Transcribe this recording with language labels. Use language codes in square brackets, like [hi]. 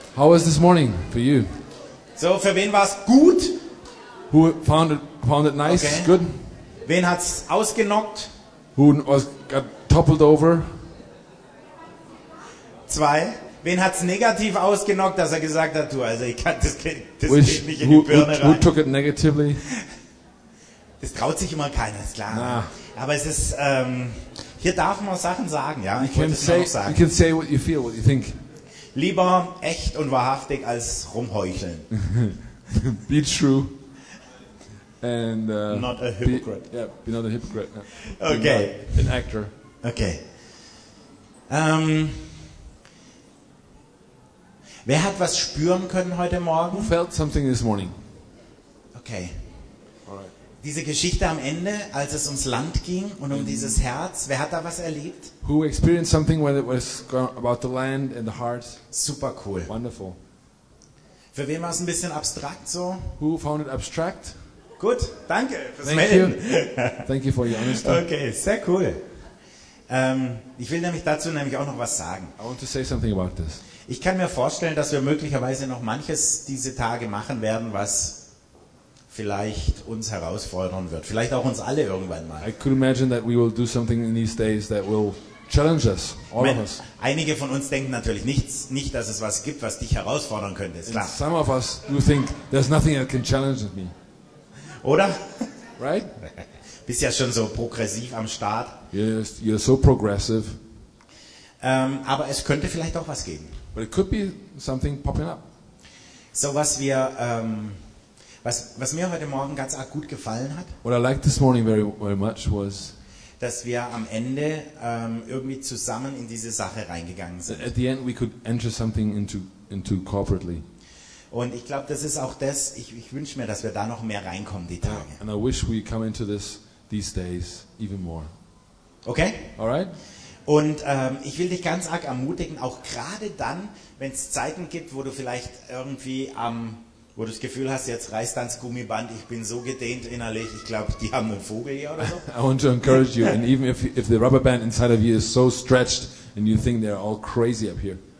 [en] How was this morning for you? [de] So, für wen war es gut? [en] Who found it nice, okay. Good? [de] Wen hat's ausgenockt? [en] Who was got toppled over? [de] Zwei. Wen hat's negativ ausgenockt, dass er gesagt hat, du, also ich kann das geht nicht in die Birne rein. [en] Who took it negatively? [de] Das traut sich immer keiner, ist klar. [en] Nah. [de] Aber es ist, hier darf man Sachen sagen, ja. Ich wollte es nur noch sagen. [en] You can say what you feel, what you think. [de] Lieber echt und wahrhaftig als rumheucheln. [en] Be true. And, not a hypocrite. Be not a hypocrite. Yeah. Okay. An actor. Okay. [de] Wer hat was spüren können heute Morgen? [en] Who felt something this morning? Okay. [de] Diese Geschichte am Ende, als es ums Land ging und um dieses Herz, wer hat da was erlebt? [en] Who experienced something when it was about the land and the heart? Super cool. Wonderful. [de] Für wen war es ein bisschen abstrakt so? [en] Who found it abstract? [de] Gut, danke fürs [en] Thank [de] Melden. [en] You. Thank you for your honesty. [de] Okay, sehr cool. Ich will nämlich dazu nämlich auch noch was sagen. [en] I want to say something about this. [de] Ich kann mir vorstellen, dass wir möglicherweise noch manches diese Tage machen werden, was vielleicht uns herausfordern wird, vielleicht auch uns alle irgendwann mal. [en] I could imagine that we will do something in these days that will challenge us, all of us. [de] Einige von uns denken natürlich nicht, dass es was gibt, was dich herausfordern könnte. Ist klar. [en] And some of us do think there's nothing that can challenge me. [de] Oder? [en] Right? [de] Bist ja schon so progressiv am Start. [en] You're so progressive. [de] Aber es könnte vielleicht auch was geben. [en] But it could be something popping up. [de] So was wir Was mir heute Morgen ganz arg gut gefallen hat, [en] what I liked this morning very, very much was, [de] dass wir am Ende irgendwie zusammen in diese Sache reingegangen sind. [en] At the end we could enter something into corporately. [de] Und ich glaube, das ist auch das, ich wünsche mir, dass wir da noch mehr reinkommen, die Tage. [en] Yeah, and I wish we come into this these days even more. Okay? Alright? [de] Und ich will dich ganz arg ermutigen, auch gerade dann, wenn es Zeiten gibt, wo du vielleicht irgendwie am wo du das Gefühl hast, jetzt reißt ans Gummiband, ich bin so gedehnt innerlich, ich glaube, die haben einen Vogel hier oder so. [en] I want to encourage you, and even if the rubber band inside of you is so stretched and you think they're all crazy up here,